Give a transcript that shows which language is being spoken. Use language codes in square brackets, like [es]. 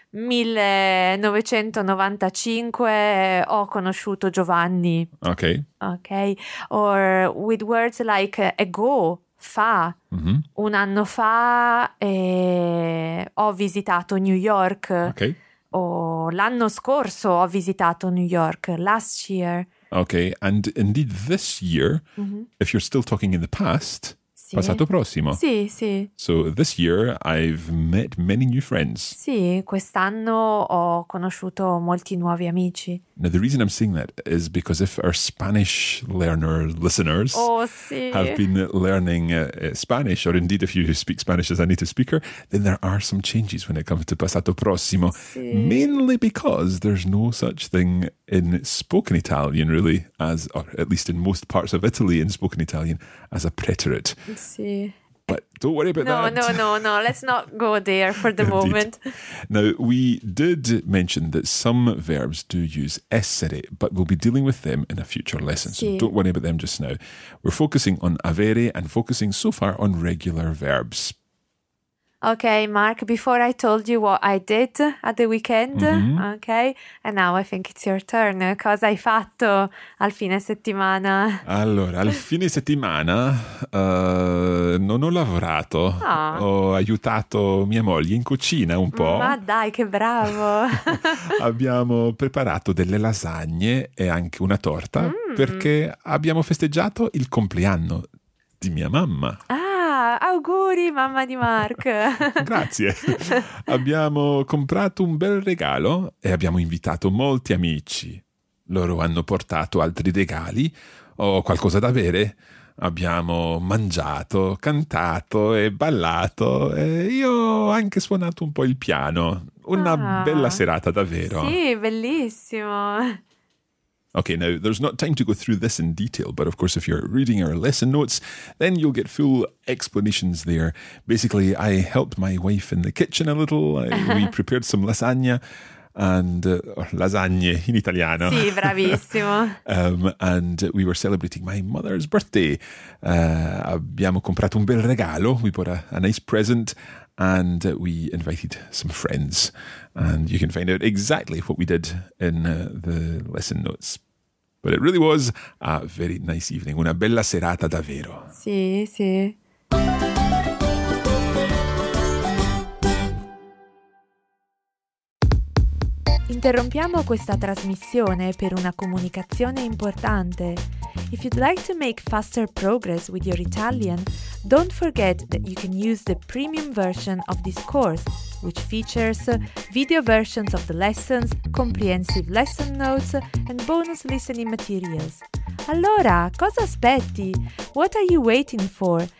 [it] 1995 ho conosciuto Giovanni. [en] Okay. Okay. Or with words like ago, fa. Mm-hmm. [it] Un anno fa ho visitato New York. [en] Okay. [it] O l'anno scorso ho visitato New York. [en] Last year. Okay. And indeed this year, mm-hmm. if you're still talking in the past, [it] sì. passato prossimo. Sì, sì. [en] So this year I've met many new friends. [it] Sì, quest'anno ho conosciuto molti nuovi amici. [en] Now the reason I'm saying that is because if our Spanish learner listeners [it] oh, sì. [en] have been learning Spanish, or indeed if you speak Spanish as a native speaker, then there are some changes when it comes to passato prossimo. [it] Sì. [en] Mainly because there's no such thing in spoken Italian, really, as or at least in most parts of Italy in spoken Italian, as a preterite. [it] Sì. [en] but don't worry about that. No. Let's not go there for the moment. Now, we did mention that some verbs do use essere, but we'll be dealing with them in a future lesson. Sí. So don't worry about them just now. We're focusing on avere and focusing so far on regular verbs. Okay, Mark, before I told you what I did at the weekend, mm-hmm. okay, and now I think it's your turn. [it] Cosa hai fatto al fine settimana? Allora, al fine settimana non ho lavorato, oh. ho aiutato mia moglie in cucina un po'. Ma dai, che bravo! Abbiamo preparato delle lasagne e anche una torta perché abbiamo festeggiato il compleanno di mia mamma. Ah! Auguri, mamma di Mark. Grazie. Abbiamo comprato un bel regalo e abbiamo invitato molti amici. Loro hanno portato altri regali o qualcosa da bere. Abbiamo mangiato, cantato e ballato. E io ho anche suonato un po' il piano. Una bella serata, davvero. Sì, bellissimo. [en] Okay, now there's not time to go through this in detail, but of course if you're reading our lesson notes, then you'll get full explanations there. Basically, I helped my wife in the kitchen a little. We prepared some lasagna and lasagne [it] in italiano. [en] Sì, bravissimo. And we were celebrating my mother's birthday. [it] Abbiamo comprato un bel regalo. [en] We bought a nice present. And we invited some friends. And you can find out exactly what we did in the lesson notes. But it really was a very nice evening. [it] Una bella serata davvero. Sì, sì. Interrompiamo questa trasmissione per una comunicazione importante. [en] If you'd like to make faster progress with your Italian, don't forget that you can use the premium version of this course, which features video versions of the lessons, comprehensive lesson notes, and bonus listening materials. [it] Allora, cosa aspetti? [en] What are you waiting for?